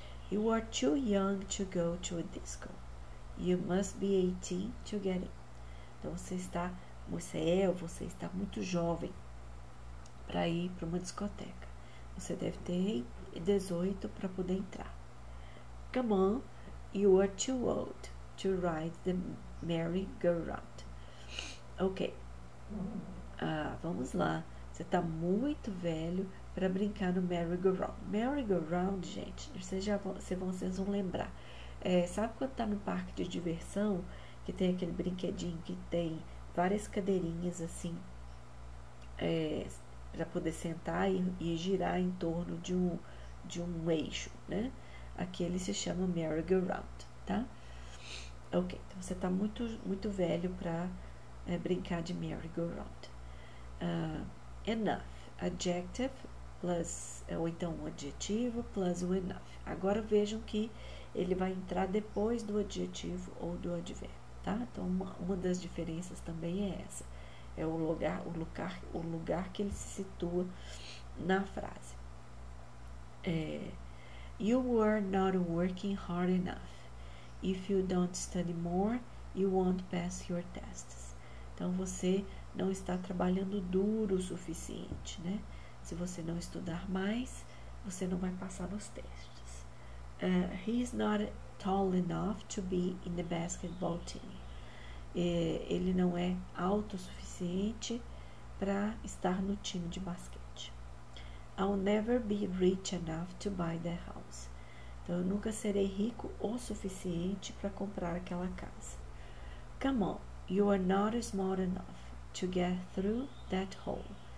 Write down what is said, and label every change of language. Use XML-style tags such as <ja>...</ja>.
<en>You are too young to go to a disco. You must be 18 to get in.</en> <pt>Então você está muito jovem para ir para uma discoteca. Você deve ter 18 para poder entrar.</pt> <en>Come on, you are too old to ride the merry-go-round.</en> <pt>Ok. Ah, vamos lá. Você está muito velho para brincar no merry-go-round. Merry-go-round, gente, vocês vão lembrar. É, sabe quando tá no parque de diversão, que tem aquele brinquedinho que tem várias cadeirinhas assim, para poder sentar e girar em torno de um eixo, né? Aquele se chama merry-go-round, tá? Ok, então você tá muito, muito velho para brincar de merry-go-round. Enough, adjective plus, ou então um adjetivo plus o enough. Agora vejam que ele vai entrar depois do adjetivo ou do advérbio, tá? Então uma das diferenças também é essa, é o lugar que ele se situa na frase.</pt> <en>You are not working hard enough. If you don't study more, you won't pass your tests.</en> <pt>Então você não está trabalhando duro o suficiente, né? Se você não estudar mais, você não vai passar nos testes.</pt> <en>He's not tall enough to be in the basketball team.</en> <pt>Ele não é alto o suficiente para estar no time de basquete.</pt> <en>I'll never be rich enough to buy the house.</en> <pt>Então, eu nunca serei rico o suficiente para comprar aquela casa.</pt> <en>Come on, you are not smart enough to get through that hole.</en>